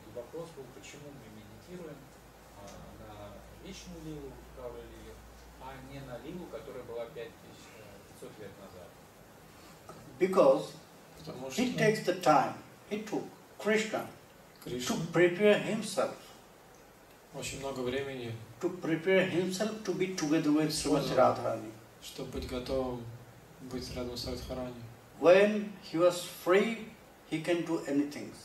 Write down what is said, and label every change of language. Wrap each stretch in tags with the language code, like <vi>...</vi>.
<ru>И вопрос был, почему мы медитируем на вечную лилу Гаура Лилу, а не на лилу, которая была 5500 лет назад.</ru> <en>Because he takes the time, he took Krishna to prepare himself.</en> <ru>Очень много времени.</ru> <en>To prepare himself to be together with Srimati Radharani.</en> <ru>Чтобы быть готовым быть рядом с Радхарани.</ru> <en>When he was free, he can do anything.</en>